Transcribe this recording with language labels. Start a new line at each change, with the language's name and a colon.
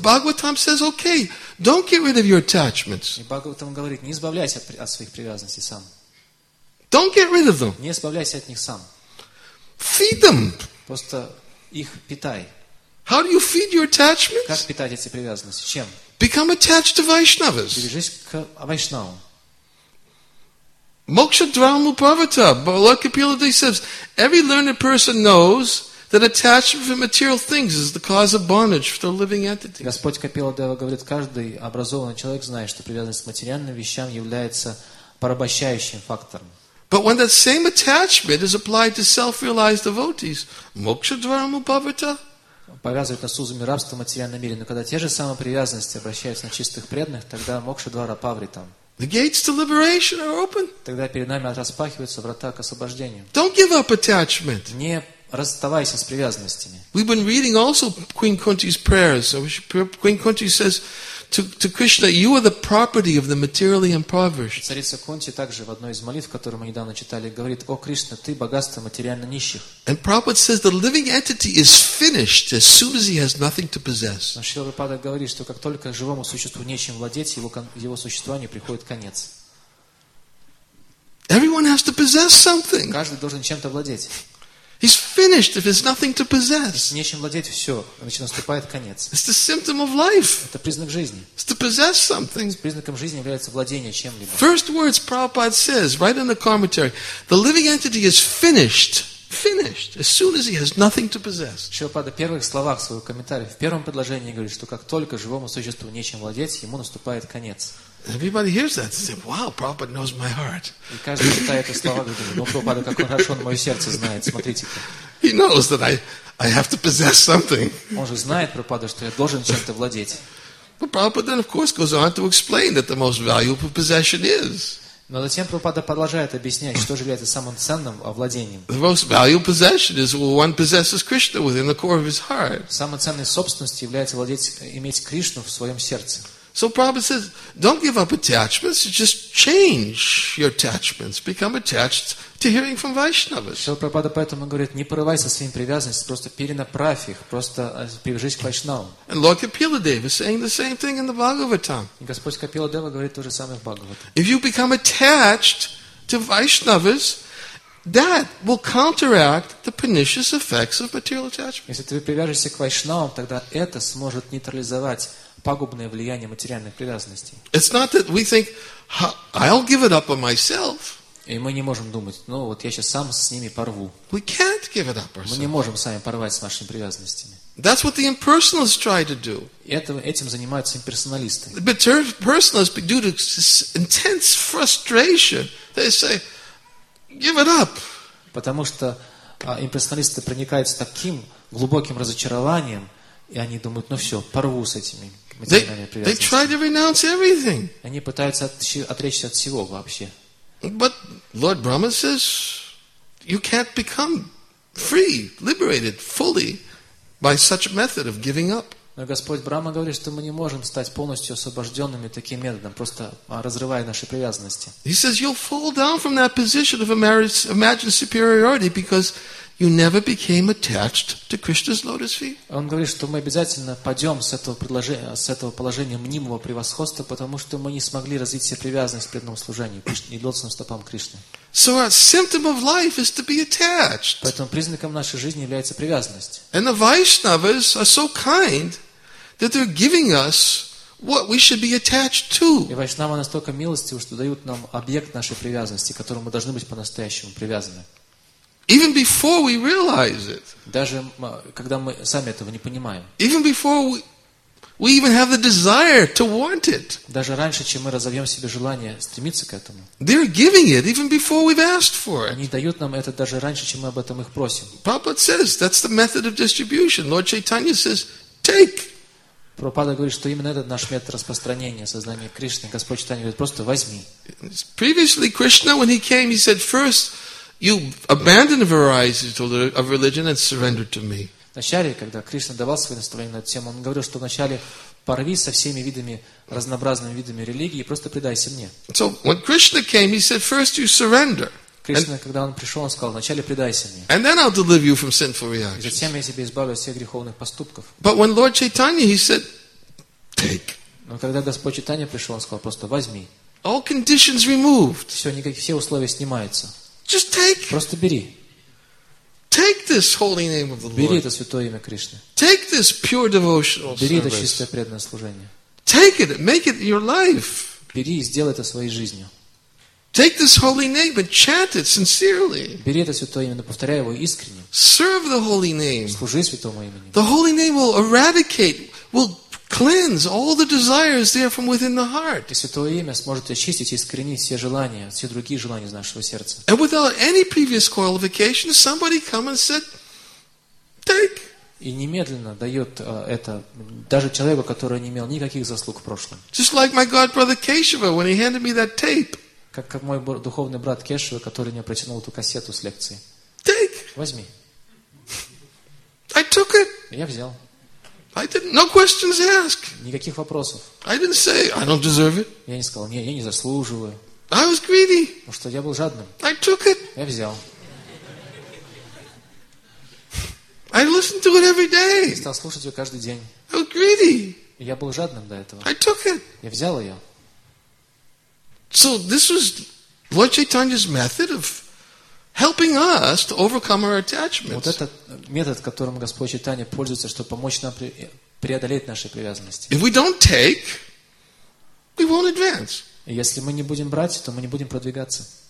English: Bhagavatam says, okay, don't get rid of your attachments.
Russian: И Бхагаватам говорит, не избавляйся от своих привязанностей сам.
English: Don't get rid of them.
Russian: Не избавляйся от них сам.
English: Feed them.
Russian: Просто их питай.
English: How do you feed your attachments?
Russian: Как питать эти привязанности? Чем?
English: Become attached to Vaishnavas.
Russian: Бережись к Вайшнавам.
Sanskrit: Moksha Dharma Pravata.
English: Lord Kapila Dev says, every learned person knows that attachment to material things is the cause of bondage for the living entity.
Russian: Господь Капила Дева говорит, каждый образованный человек знает, что привязанность к материальным вещам является порабощающим фактором.
English: But when that same attachment is applied to self-realized devotees, Moksha Dharma Pravata.
Russian: Повязывает нас узами рабства в материальном мире. Но когда те же самые привязанности обращаются на чистых преданных, тогда Мокша Двара Павритам.
English: The gates to liberation are open.
Russian: Тогда перед нами распахиваются врата к освобождению.
English: Don't give up attachment.
Russian: Не расставайся с привязанностями.
English: We've been reading also Queen Kunti's prayers. Queen Kunti says, to Krishna, you are the property of the materially impoverished.
Russian: Царица Кунти также в одной из молитв, которую мы недавно читали, говорит: «О Кришна, ты богатство материально нищих».
English: And Prabhupada says the living entity is finished as soon as he has nothing to possess.
Russian: Но Шрила Прабхупада говорит, что как только живому существу нечем владеть, его существованию приходит конец.
English: Everyone has to possess something.
Russian: Каждый должен чем-то владеть.
English: He's finished if there's nothing to possess.
Russian: Если нечем владеть, все, значит, наступает конец.
English: It's the symptom of life.
Russian: Это признак жизни.
English: It's to possess something.
Russian: Признаком жизни является владение чем-либо.
English: First words Prabhupada says, right in the commentary, the living entity is finished. Finished. As soon as he has nothing to possess.
Russian: Шрила первых словах своего комментария, в первом предложении говорит, что как только живому существу нечем владеть, ему наступает конец.
English: Everybody hears that and says, "Wow, Prabhupada knows my heart."
Russian: И каждый читает эти слова, говорит: "Ну, Прабхупада, как хорошо он мое сердце знает. Смотрите-ка."
English: He knows that I have to possess something.
Russian: Он же знает, Прабхупада, что я должен чем-то владеть.
English: But Prabhupada then, of course, goes on to explain that the most valuable possession is.
Russian: Но затем Прабхупада продолжает объяснять, что же является самым ценным владением.
English: The most valuable possession is when one possesses Krishna within the core of his heart.
Russian: Самой ценной собственностью является владеть, иметь Кришну в своем сердце.
English: So Prabhupada says, don't give up attachments, just change your attachments, become attached to hearing from Vaishnavas.
Russian: Шрила Прабхупада поэтому говорит, не порывай со своими привязанностями, просто перенаправь их, просто привяжись к Вайшнавам.
English: And Lord Kapila Deva is saying the same thing in the Bhagavatam.
Russian: И Господь Капила Дева говорит то же самое в Бхагаватам.
English: If you become attached to Vaishnavas, that will counteract the pernicious effects of material attachment.
Russian: Если ты привяжешься к Вайшнавам, тогда это сможет нейтрализовать пагубное влияние материальных привязанностей.
English: It's not that we think, I'll give it up on myself.
Russian: И мы не можем думать, ну вот я сейчас сам с ними порву.
English: We can't give it up ourselves.
Russian: Мы не можем сами порвать с нашими привязанностями.
English: That's what the impersonalists try to do.
Russian: Этим занимаются имперсоналисты.
English: But impersonalists, due to intense frustration, they say, give it up.
Russian: Потому что имперсоналисты проникаются таким глубоким разочарованием, и они думают, ну все, порву с этими материальными привязанностями.
English: They try to renounce everything.
Russian: Они пытаются отречься от всего вообще.
English: But Lord Brahma says, you can't become free, liberated fully by such a method of giving up.
Russian: Но Господь Брама говорит, что мы не можем стать полностью освобожденными таким методом, просто разрывая наши привязанности.
English: He says, you'll fall down from that position of imagined superiority because you never became attached to Krishna's lotus feet.
Russian: Он говорит, что мы обязательно падем с этого положения мнимого превосходства, потому что мы не смогли развить себе привязанность к преданному служению и лотосным стопам Кришны.
English: So our symptom of life is to be attached.
Russian: Поэтому признаком нашей жизни является привязанность.
English: And the Vaishnavas are so kind that they're giving us what we should be attached to.
Russian: И Вайшнавы настолько милостивы, что дают нам объект нашей привязанности, к которому мы должны быть по-настоящему привязаны.
English: Even before we realize it.
Russian: Даже когда мы сами этого не понимаем.
English: Even before we even have the desire to want it.
Russian: Даже раньше, чем мы разовьем себе желание стремиться к этому.
English: They're giving it even before we've asked for it.
Russian: Они дают нам это даже раньше, чем мы об этом их просим.
English: Prabhupada says that's the method of distribution. Lord Chaitanya says, take.
Russian: Прабхупада говорит, что именно этот наш метод распространения сознания Кришны. Господь Чайтанья говорит, просто возьми.
English: Previously, Krishna, when he came, he said, first, you abandon the varieties of religion and surrender to me.
Russian: Вначале, когда Кришна давал свое наставление на эту тему, он говорил, что вначале порви со всеми видами, разнообразными видами религии и просто предайся мне.
English: So when Krishna came, he said, first you surrender.
Russian: Кришна, когда он пришел, он сказал, вначале предайся мне.
English: And then I'll deliver you from sinful reactions.
Russian: И затем я тебя избавлю от всех греховных поступков.
English: But when Lord Chaitanya, he said, take.
Russian: Но когда Господь Чайтанья пришел, он сказал, просто возьми.
English: All conditions removed.
Russian: Все условия снимаются.
English: Just take.
Russian: Просто бери.
English: Take this holy name of the Lord.
Russian: Бери это святое имя Кришны.
English: Take this pure devotional service.
Russian: Бери это чистое преданное служение.
English: Take it, make it your life.
Russian: Бери и сделай это своей жизнью.
English: Take this holy name and chant it sincerely.
Russian: Бери это святое имя, повторяй его искренне.
English: Serve the holy name.
Russian: Служи святому имени.
English: The holy name will eradicate, will cleanse all the desires there from within the heart.
Russian: И святое имя сможет очистить и искоренить все желания, все другие желания из нашего сердца.
English: And without any previous qualification, somebody come and said, take.
Russian: И немедленно дает это даже человеку, который не имел никаких заслуг в прошлом.
English: Just like my god brother Keshava, when he handed me that tape.
Russian: Как мой духовный брат Кешева, который мне протянул эту кассету с лекцией.
English: Take.
Russian: Возьми.
English: I took it.
Russian: Я взял.
English: I didn't, no questions asked.
Russian: Никаких вопросов.
English: I didn't say, I don't deserve it.
Russian: Я не сказал, нет, я не заслуживаю.
English: I was greedy.
Russian: Потому что я был жадным.
English: I took it.
Russian: Я взял.
English: I listened to it every day.
Russian: Я стал слушать ее каждый день.
English: I was greedy.
Russian: Я был жадным до этого.
English: I took it.
Russian: Я взял ее.
English: So this was Lord Chaitanya's method of helping us to overcome our attachments.
Russian: Вот этот метод, которым Господь Чайтанья пользуется, чтобы помочь нам преодолеть наши привязанности.
English: If we don't take, we won't advance.
Russian: Если мы не будем брать, то мы не будем продвигаться.